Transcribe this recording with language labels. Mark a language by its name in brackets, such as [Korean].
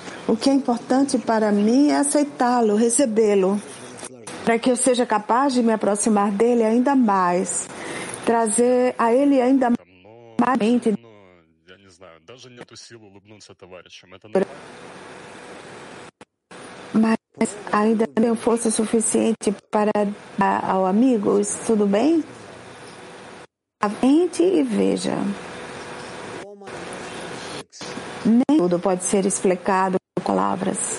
[Portuguese] O que é importante para mim é aceitá-lo, recebê-lo, para que eu seja capaz de me aproximar dele ainda mais, trazer a ele ainda mais mente. [Russian] Даже нету сил улыбнуться товарищам. Это [Portuguese] Mas ainda tenho força suficiente para dar ao amigo, isso tudo bem? Avente e veja. Nem tudo pode ser explicado com palavras.